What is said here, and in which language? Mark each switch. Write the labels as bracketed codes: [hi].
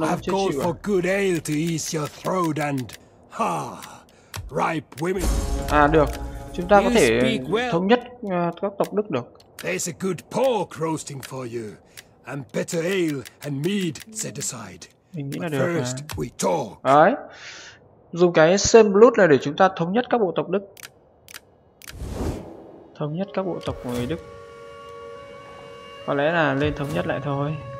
[en] I've called for good ale to ease your throat and ha, ripe women. [vi] À được, chúng ta có thể thống nhất các tộc Đức được. [en] There's a good pork roasting for you, and better ale and mead set aside. [vi] Mình nghĩ là được. [en] First we talk. [vi] Đấy, dùng cái same blood này để chúng ta thống nhất các bộ tộc Đức. Thống nhất các bộ tộc người Đức. Có lẽ là lên thống nhất lại thôi.